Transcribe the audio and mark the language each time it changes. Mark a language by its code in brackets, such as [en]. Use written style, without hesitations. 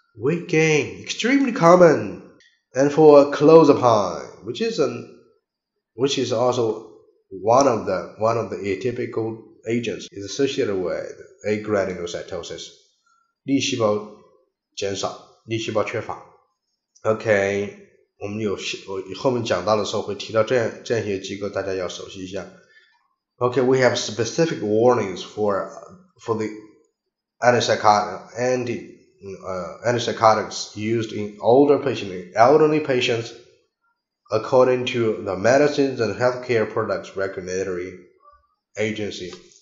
[en] Weight gain, extremely common. And for clozapine, which is also one of the atypical agents, is associated with agranulocytosis, [zh] 粒细胞减少。粒细胞缺乏。 OK, 我们有我后面讲到的时候会提到这样一些机构，大家要熟悉一下。 [en] OK, we have specific warnings for the antipsychotics used in elderly patients according to the Medicines and Healthcare Products Regulatory Agency.